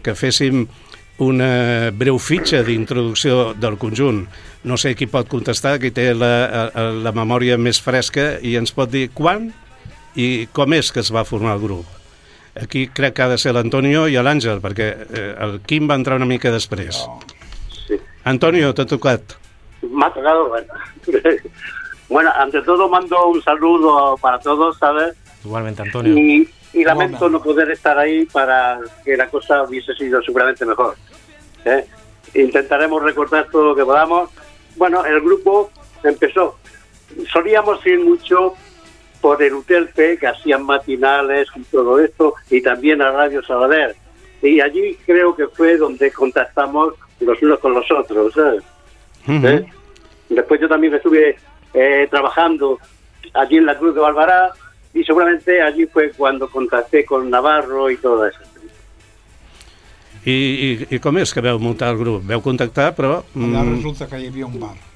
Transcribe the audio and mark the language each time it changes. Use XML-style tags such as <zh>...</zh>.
<ca>Que féssim una breu fitxa d'introducció del conjunt. No sé qui pot contestar, qui té la memòria més fresca i ens pot dir quan i com és que es va formar el grup. Aquí crec que ha de ser l'Antonio i l'Àngel, perquè el Quim va entrar una mica després. No. Sí. Antonio, t'ha tocat. M'ha tocat, bueno.</ca> <es>Bueno, ante todo mando un saludo para todos, ¿sabes? Igualmente, Antonio. Y lamento no poder estar ahí para que la cosa hubiese sido seguramente mejor. Intentaremos recordar todo lo que podamos. Bueno, el grupo empezó. Solíamos ir mucho por el Utelpe, que hacían matinales y todo esto, y también a Radio Sabadell. Y allí creo que fue donde contactamos los unos con los otros, ¿sabes? Uh-huh. Después yo también estuve trabajando allí en la Cruz de Bárbara, y seguramente allí fue cuando contacté con Navarro y todo eso.</es> <ca>I com és que veu muntar el grup? Veu contactar, però... Allà resulta que hi havia un bar.</ca>